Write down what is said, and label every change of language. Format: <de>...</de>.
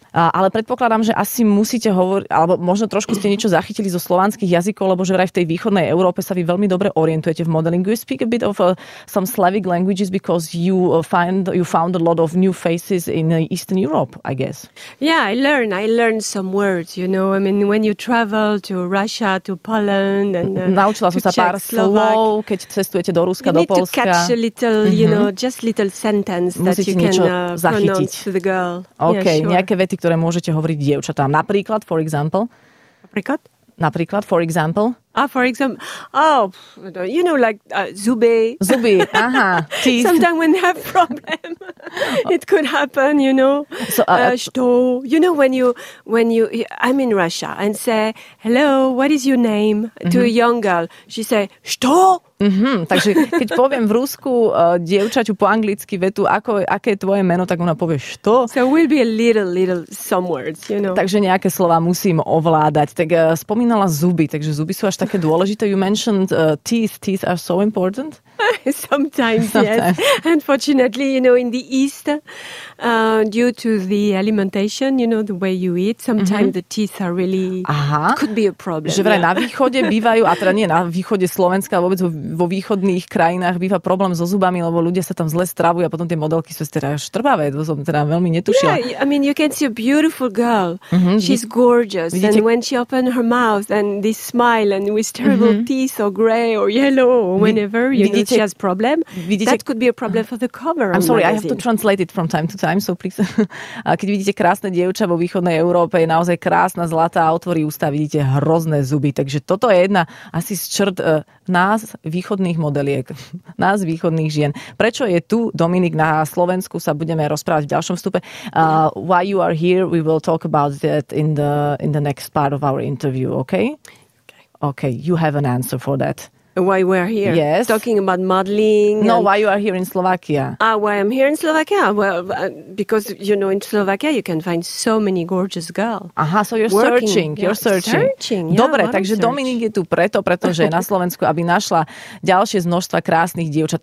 <sk>Ale predpokladám, že asi musíte hovoriť, alebo možno trošku ste niečo zachytili zo slovanských jazykov, lebo že vraj v tej východnej Európe sa vy veľmi dobre orientujete v modelingu.</sk> <en>You speak a bit of some Slavic languages because you found a lot of new faces in Eastern Europe, I guess. Yeah, I learned some words, you know. I mean, when you travel to Russia, to Poland and</en> <sk>Naučila som sa pár slov, keď cestujete do Ruska, do Polska.</sk> <en>You need to catch a little, you know, just little sentence that you can</en> <sk>zachytiť.</sk> <en>Pronounce to the girl. OK, yeah, sure.</en> <sk>Nejaké vety, ktoré môžete hovoriť dievčatám. Napríklad,</sk> <en>for example. You know, like zuby. Aha, teeth. Sometimes when they have problem, it could happen, you know. So, you know, when you I'm in Russia and say, hello, what is your name? Mm-hmm. To a young girl, she say, što?</en> <sk>Mm-hmm. Takže keď poviem v Rusku dievčaťu po anglicky vetu, aké je tvoje meno, tak ona povie, što?</sk> <en>So we'll be a little some words, you know.</en> <sk>Takže nejaké slova musím ovládať. Tak spomínala zuby, takže zuby sú až také dôležité.</sk> <en>You mentioned teeth. Teeth are so important. Sometimes. Yes. Unfortunately, you know, in the East, due to the alimentation, you know, the way you eat, sometimes mm-hmm. the teeth are really, aha, could be a problem.</en> <sk>Že vraj na východe bývajú, a teda nie na východe Slovenska, vôbec vo východných krajinách býva problém so zubami, lebo ľudia sa tam zle stravujú a potom tie modelky sú teda štrbavé. To som teda veľmi netušila.</sk> <en>Yeah, I mean, you can see a beautiful girl. Mm-hmm. She's gorgeous.</en> <sk>Vidíte?</sk> <en>And when she opened her mouth and this smile and with terrible mm-hmm. teeth or gray or yellow or whenever, you know, she has problem.</en> <sk>Vidíte?</sk> <en>That could be a problem for the cover. I'm sorry, magazine. I have to translate it from time to time, so please.</en> <sk>Keď vidíte krásne dievča vo východnej Európe, je naozaj krásna, zlatá, otvorí ústa, vidíte hrozné zuby. Takže toto je jedna asi z črt nás východných modeliek, nás východných žien. Prečo je tu Dominik na Slovensku, sa budeme rozprávať v ďalšom vstupe.</sk> <en>Why you are here, we will talk about that in the next part of our interview, okay? Okay, you have an answer for that. Why we're here? Yes. Talking about modeling. No, why you are here in Slovakia? Why I'm here in Slovakia? Well, because, you know, in Slovakia you can find so many gorgeous girls. Aha, so you're working. Searching. You're searching. Searching, yeah.</en> <sk>Dobre, takže Dominik je tu pretože je na Slovensku, aby našla ďalšie z množstva krásnych dievčat.</sk>